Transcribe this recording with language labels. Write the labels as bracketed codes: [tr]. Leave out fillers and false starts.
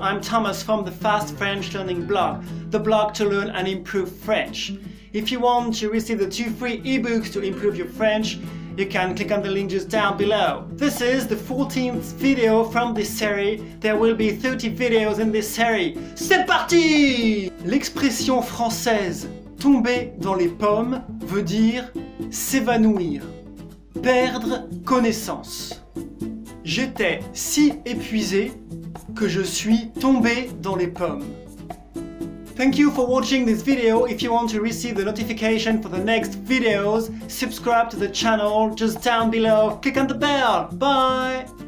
[en] I'm Thomas from the Fast French Learning blog, the blog to learn and improve French. If you want to receive the 2 free ebooks to improve your French, you can click on the link just down below. This is the 14th video from this series. There will be 30 videos in this series. [fr] C'est parti! L'expression française tomber dans les pommes veut dire s'évanouir, perdre connaissance. J'étais si épuisé que je suis tombé dans les pommes. [en] Thank you for watching this video. If you want to receive the notification for the next videos, subscribe to the channel just down below. Click on the bell. Bye!